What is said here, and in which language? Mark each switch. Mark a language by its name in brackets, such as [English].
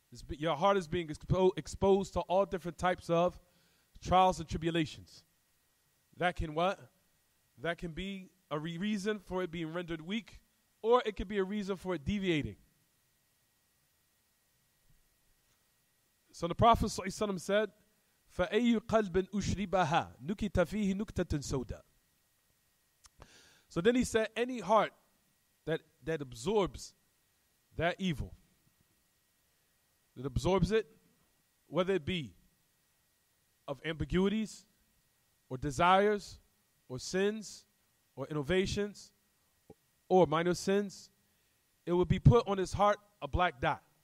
[English] Your heart is being exposed to all different types of trials and tribulations. That can what? That can be a reason for it being rendered weak. Or it could be a reason for it deviating. So the Prophet ﷺ said, [Arabic] فَأَيُّ قَلْبٍ أُشْرِبَهَا نُكِتَ فِيهِ نُكْتَةٍ سَوْدَى. [English] So then he said, any heart that absorbs that evil, that absorbs it, whether it be of ambiguities or desires or sins or innovations, or minor sins, it will be put on his heart a black dot.